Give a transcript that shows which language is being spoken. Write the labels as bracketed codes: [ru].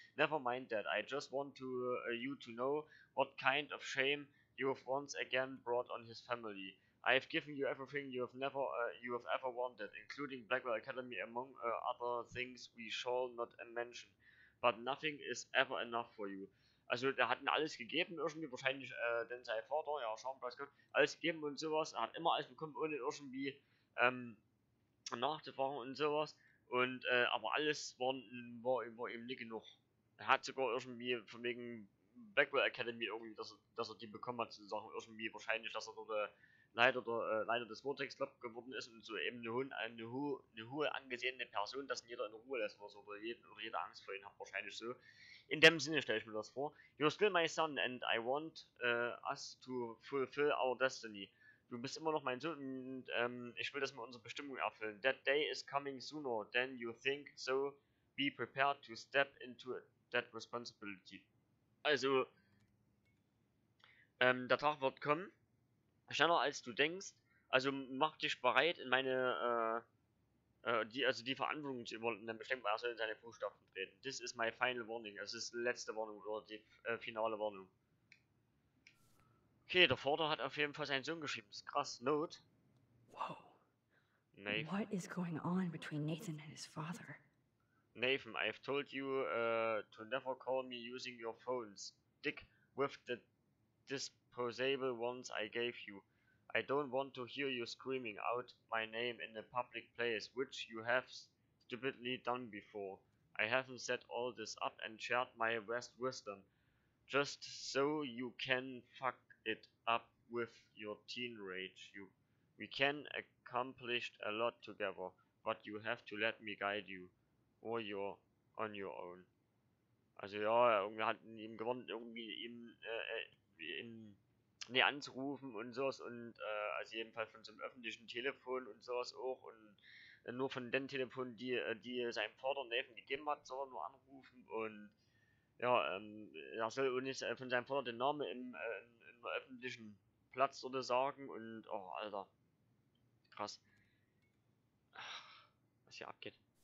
[en] Never mind that, I just want to you to know what kind of shame you have once again brought on his family. I have given you everything you have ever wanted, including Blackwell Academy, among other things we shall not mention. But nothing is ever enough for you. [de] Also, er hat ihm alles gegeben, irgendwie, wahrscheinlich, denn sein Vater, ja, schauen wir, was kommt, alles gegeben und sowas, er hat immer alles bekommen, ohne irgendwie, nachzufahren und sowas, und, aber alles war ihm nicht genug. Er hat sogar irgendwie, von wegen Blackwell Academy irgendwie, dass er die bekommen hat, zu sagen, irgendwie, wahrscheinlich, dass er dort, Leiter des Vortex Club geworden ist und so eben eine hohe angesehene Person, dass ihn jeder in Ruhe lässt oder so, oder jeder Angst vor ihm hat, wahrscheinlich so. In dem Sinne stelle ich mir das vor. [en] You're still my son and I want us to fulfill our destiny. [de] Du bist immer noch mein Sohn und ich will das mit unserer Bestimmung erfüllen. [en] That day is coming sooner than you think, so be prepared to step into that responsibility. [de] Also, der Tag wird kommen. Schneller als du denkst, also mach dich bereit, in meine, die Verantwortung zu übernehmen, bestimmt, er soll in seine Fußstapfen treten. [en] This is my final warning, [de] also das ist die letzte Warnung, oder die finale Warnung. Okay, der Vater hat auf jeden Fall seinen Sohn geschrieben, das ist krass. [en] Note. Wow. Nathan. What is going on between Nathan and his father? Nathan, I've told you, to never call me using your phones. Dick with the disposable ones I gave you. I don't want to hear you screaming out my name in a public place, which you have stupidly done before. I haven't set all this up and shared my best wisdom just so you can fuck it up with your teen rage. We can accomplish a lot together, but you have to let me guide you, or you're on your own. [de] Also ja, irgendwie hat ihm gewonnen, irgendwie ihm anzurufen und sowas und also jedenfalls von so einem öffentlichen Telefon und sowas auch und nur von den Telefonen, die seinem Vater Nathan gegeben hat, soll er nur anrufen und ja, er soll von seinem Vater den Namen im öffentlichen Platz oder sagen und oh Alter, krass, was hier abgeht.